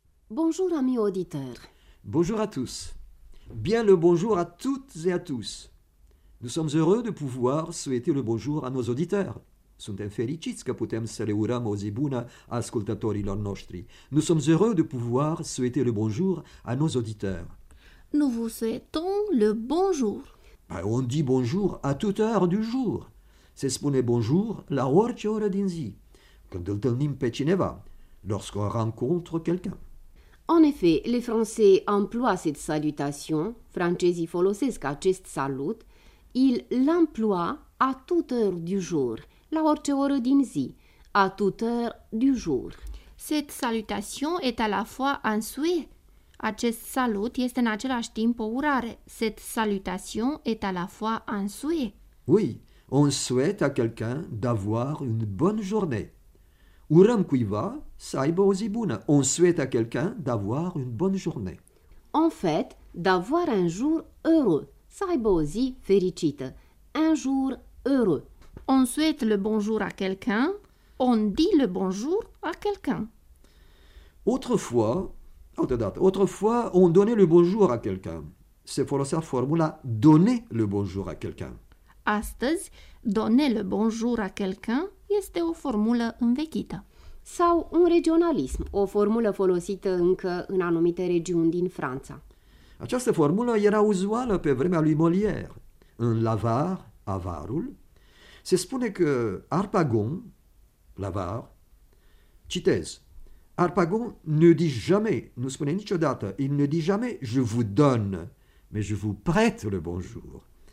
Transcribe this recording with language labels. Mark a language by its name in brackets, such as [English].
[French] Bonjour, amis auditeurs. Bonjour à tous. Bien le bonjour à toutes et à tous. Nous sommes heureux de pouvoir souhaiter le bonjour à nos auditeurs. [Romanian] Suntem fericiți că putem să le urăm o zi bună ascultătorilor noștri. [French] Nous sommes heureux de pouvoir souhaiter le bonjour à nos auditeurs. Nous vous souhaitons le bonjour. Bah, on dit bonjour à toute heure du jour. [Romanian] Se spune bonjour la orice oră din zi. Când întâlnim pe cineva, [French] lorsqu'on rencontre quelqu'un. En effet, les Français emploient cette salutation. [Romanian] Francezii folosesc acest salut. [French] Ils l'emploient à toute heure du jour. [Romanian] La orice oră din zi, [French] à toute heure du jour. Cette salutation est à la fois un souhait. [Romanian] Acest salut este în același timp o urare. [French] Cette salutation est à la fois un souhait. Oui, on souhaite à quelqu'un d'avoir une bonne journée. [Romanian] Urăm cuiva să aibă o zi bună. [French] On souhaite à quelqu'un d'avoir une bonne journée. En fait, d'avoir un jour heureux. [Romanian] Să aibă o zi fericită. [French] Un jour heureux. On souhaite le bonjour à quelqu'un, on dit le bonjour à quelqu'un. Autrefois, on donnait le bonjour à quelqu'un. [Romanian] Se folosea formula [French] donner le bonjour à quelqu'un. [Romanian] Astăzi, [French] donner le bonjour à quelqu'un [Romanian] este o formulă învechită. Sau un regionalism, o formulă folosită încă în anumite regiuni din Franța. Această formulă era uzuală pe vremea lui Molière. [French] În l'avare, [Romanian] avarul, se spune că [French] Harpagon, l'avar, citez, Harpagon ne dit jamais, [Romanian] nu spune niciodată, [French] il ne dit jamais, je vous donne, mais je vous prête le bonjour.